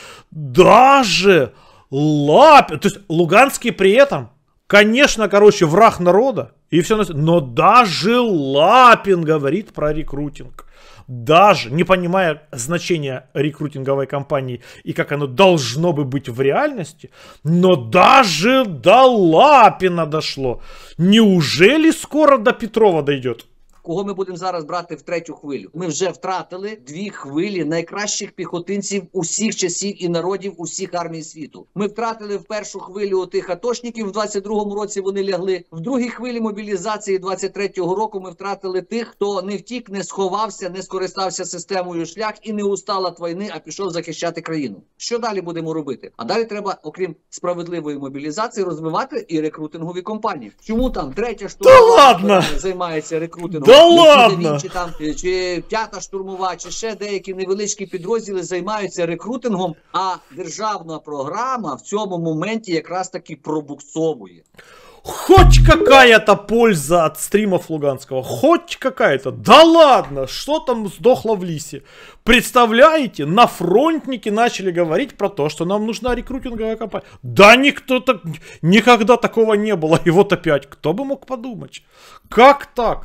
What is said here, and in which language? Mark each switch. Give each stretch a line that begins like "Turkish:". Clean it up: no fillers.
Russian: Даже Лапин, то есть Луганский при этом, конечно, короче, враг народа, и все, но даже Лапин говорит про рекрутинг. Даже не понимая значения рекрутинговой кампании и как оно должно бы быть в реальности, но даже до Лапина дошло. Неужели скоро до Петрова дойдет?
Ukrainian: Кого ми будемо зараз брати в третю хвилю? Ми вже втратили дві хвилі найкращих піхотинців усіх часів і народів, усіх армій світу. Ми втратили в першу хвилю тих атошників, в 22-му році вони лягли. В другій хвилі мобілізації 23-го року ми втратили тих, хто не втік, не сховався, не скористався системою шлях і не устав від війни, а пішов захищати країну. Що далі будемо робити? А далі треба, окрім справедливої мобілізації, розвивати і рекрутингові компанії. Чому там третя штука займається рекрутингом?
Russian: Да ладно!
Ukrainian: Чи п'ята штурмова, чи ще деякі невеличкі підрозділи займаються рекрутингом, а державна програма в цьому моменті якраз таки пробуксовує.
Russian: Хоть какая-то польза от стримов Луганского. Хоть какая-то. Да ладно, что там сдохло в лисе? Представляете, на фронтнике начали говорить про то, что нам нужна рекрутинговая компания. Да никто так, никогда такого не было. И вот опять, кто бы мог подумать? Как так?